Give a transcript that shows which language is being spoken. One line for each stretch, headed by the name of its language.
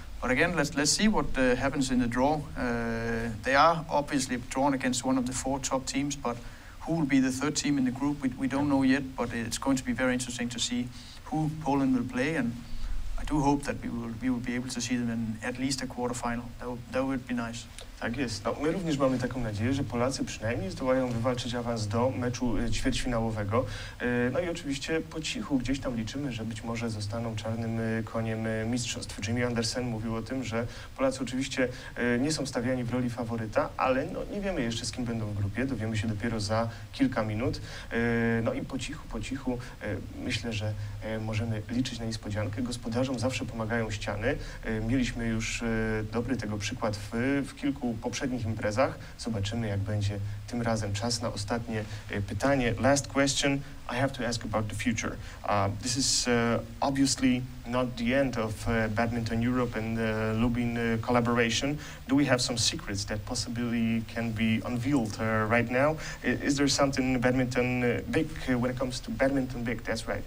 English: But again, let's see what happens in the draw. They are obviously drawn against one of the four top teams, but who will be the third team in the group, we don't know yet, but it's going to be very interesting to see who Poland will play, and I do hope that we will be able to see them in at least a quarter final. That would be nice.
Polish: Tak jest. No, my również mamy taką nadzieję, że Polacy przynajmniej zdołają wywalczyć awans do meczu ćwierćfinałowego. No i oczywiście po cichu gdzieś tam liczymy, że być może zostaną czarnym koniem mistrzostw. Jimmy Andersen mówił o tym, że Polacy oczywiście nie są stawiani w roli faworyta, ale no, nie wiemy jeszcze z kim będą w grupie. Dowiemy się dopiero za kilka minut. No i po cichu myślę, że możemy liczyć na niespodziankę. Gospodarzom zawsze pomagają ściany. Mieliśmy już dobry tego przykład w kilku poprzednich imprezach. Zobaczymy, jak będzie tym razem. Czas na ostatnie pytanie.
English: Last question. I have to ask about the future. This is obviously not the end of Badminton Europe and the Lubin collaboration. Do we have some secrets that possibly can be unveiled right now? Is there something Badminton big when it comes to Badminton big? That's right.